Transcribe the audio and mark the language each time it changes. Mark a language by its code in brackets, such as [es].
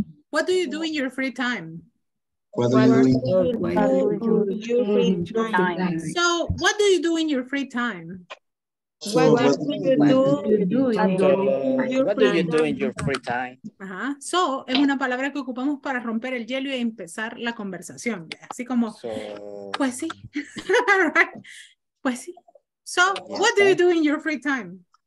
[en] What do you do in your free time? So, what do you do in your free time? What do you do in your free time? Uh-huh. [es] So, es una palabra que ocupamos para romper el hielo y empezar la conversación. Así como, pues sí. Pues sí. [en] So, what do you do in your free time?